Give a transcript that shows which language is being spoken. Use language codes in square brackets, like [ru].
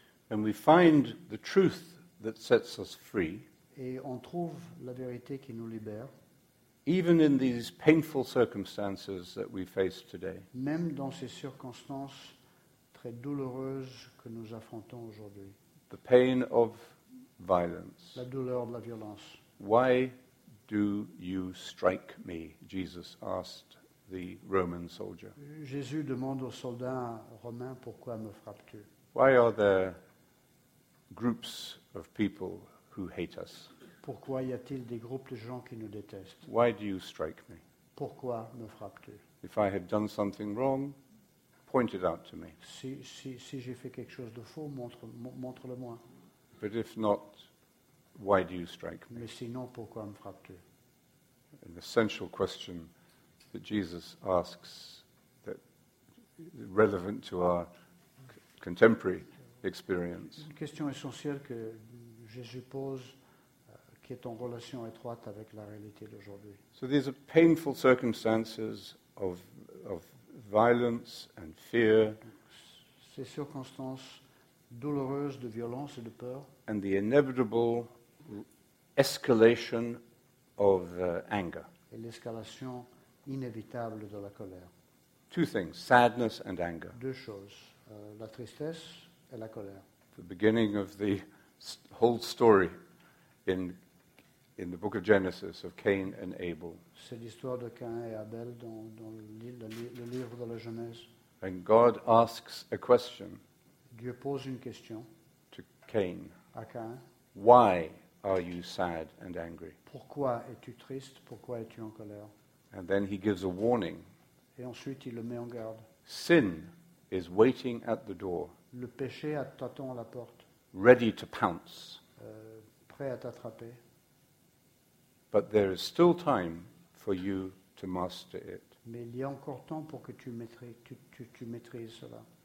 [en] And we find the truth that sets us free. [fr] Et on trouve la vérité qui nous libère. [en] Even in these painful circumstances that we face today. [fr] Même dans ces circonstances très douloureuses que nous affrontons aujourd'hui. [en] The pain of violence. [fr] La douleur de la violence. [en] Why do you strike me? Jesus asked the Roman soldier. [fr] Jésus demande aux soldats romains, pourquoi me frappes-tu? [en] Why are there groups of people who hate us? [fr] Pourquoi y a-t-il des groupes de gens qui nous détestent? [en] Why do you strike me? [fr] Pourquoi me frappes-tu? [en] If I have done something wrong, point it out to me. [fr] Si j'ai fait quelque chose de faux, montre-le-moi. [en] But if not, why do you strike me? [fr] Mais sinon, pourquoi me frappes-tu? [en] An essential question that Jesus asks, that relevant to our contemporary experience. [fr] Une question essentielle que Jésus pose, qui est en relation étroite avec la réalité d'aujourd'hui. [en] So these are painful circumstances of violence and fear. [fr] Ces circonstances douloureuses de violence et de peur. [en] And the inevitable escalation of anger. [fr] Et l'escalation inévitable de la colère. [en] Two things, sadness and anger. [fr] Deux choses, la tristesse et la colère. [en] The beginning of the whole story in the book of Genesis of Cain and Abel. [fr] C'est l'histoire de Cain et Abel dans le livre de la Genèse. [en] And God asks a question. [fr] Dieu pose une question. [en] To Cain. [fr] À Cain. [en] Why are you sad and angry? [fr] Pourquoi es-tu triste? Pourquoi es-tu en colère? [en] And then he gives a warning. [fr] Et ensuite, il le met en garde. [en] Sin is waiting at the door. [fr] Le péché t'attend à la porte. [en] Ready to pounce. [fr] Prêt à t'attraper. [en] But there is still time for you to master it. [fr] Mais il y a encore temps pour que tu maîtrises cela.